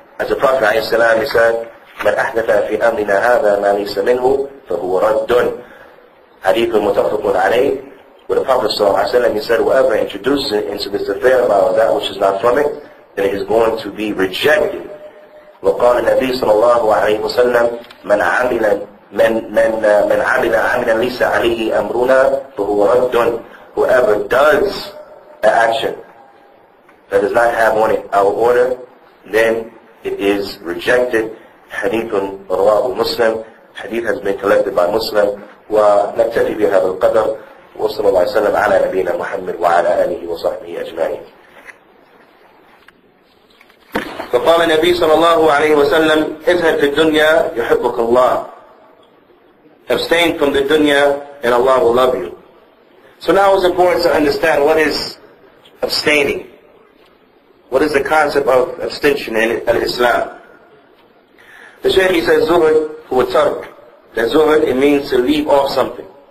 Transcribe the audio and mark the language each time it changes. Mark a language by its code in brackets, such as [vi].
[en] As the Prophet ﷺ said, [ar] من أحدث في أمرنا هذا ما ليس منه فهو رد. Hadith متفق عليه. [en] When the Prophet ﷺ he said, whoever introduces into this affair about that which is not from it, then it is going to be rejected. [ar] وقال النبي صلى الله عليه وسلم من عمل ليس عليه أمرنا فهو رد. [en] Whoever does an action that does not have on it our order, then it is rejected. [ar] حديث رواه مسلم. [en] حديث has been collected by Muslim. [ar] ونكتفي بهذا القدر. وصلى الله وسلم على نبينا محمد وعلى آله وصحبه أجمعين. فقال النبي صلى الله عليه وسلم اذهب في الدنيا يحبك الله. [en] Abstain from the dunya and Allah will love you. So now it's important to understand what is abstaining. What is the concept of abstention in Islam? The Shaykh, he says, [ar] Zuhud huwa tark. [en] That Zuhud, it means to leave off something.